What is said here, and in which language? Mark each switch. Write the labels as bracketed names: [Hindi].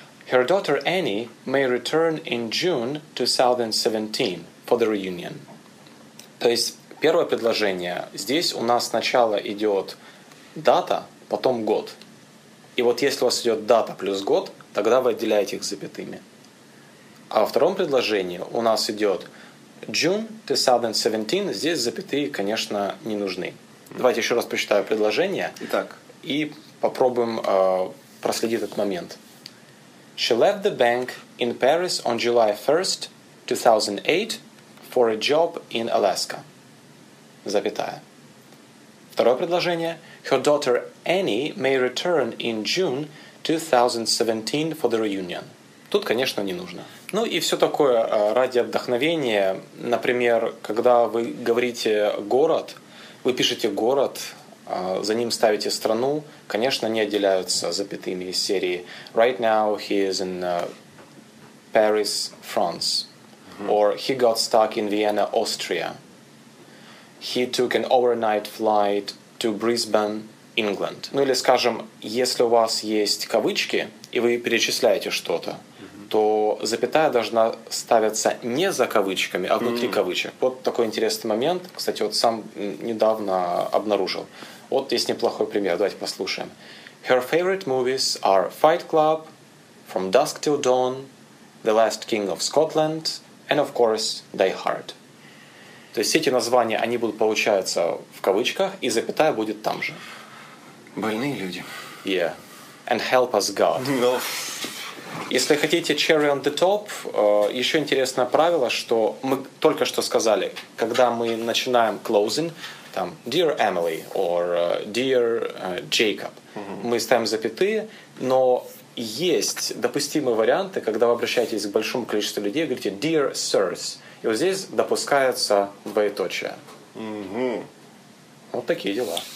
[English] Her daughter Annie may return in June 2017 for the reunion. [Russian] То есть, первое предложение. Здесь у нас сначала идет дата, потом год. И вот если у вас идет дата плюс год, тогда вы отделяете их запятыми. А во втором предложении у нас идет June 2017. Здесь запятые, конечно, не нужны. Давайте еще раз прочитаю предложение. Итак. И попробуем проследить этот момент. [English] She left the bank in Paris on July 1st, 2008 for a job in Alaska. [Russian] Запятая. Второе предложение. [English] Her daughter Annie may return in June 2017 for the reunion. [Russian] Тут, конечно, не нужно. Ну и все такое ради вдохновения. Например, когда вы говорите «город», вы пишете «город», за ним ставите «страну», конечно, не отделяются запятыми из серии [English] «Right now he is in Paris, France». Or «He got stuck in Vienna, Austria». «He took an overnight flight to Brisbane, England». [Russian] Ну или, скажем, если у вас есть кавычки, и вы перечисляете что-то, то запятая должна ставиться не за кавычками, а внутри кавычек. Вот такой интересный момент, кстати, вот сам недавно обнаружил. Вот есть неплохой пример, давайте послушаем. [English] Her favorite movies are Fight Club, From Dusk Till Dawn, The Last King of Scotland, and of course, Die Hard. [Russian] То есть эти названия, они будут, получаются в кавычках, и запятая будет там же. Больные люди. [English] Yeah. And help us God. No. [Russian] Если хотите [English] cherry on the top, [Russian] еще интересное правило, что мы только что сказали, когда мы начинаем closing, там, [English] dear Emily or dear Jacob, [Russian] мы ставим запятые, но есть допустимые варианты, когда вы обращаетесь к большому количеству людей, говорите [English] dear sirs, [Russian] и вот здесь допускается двоеточие. Вот такие дела.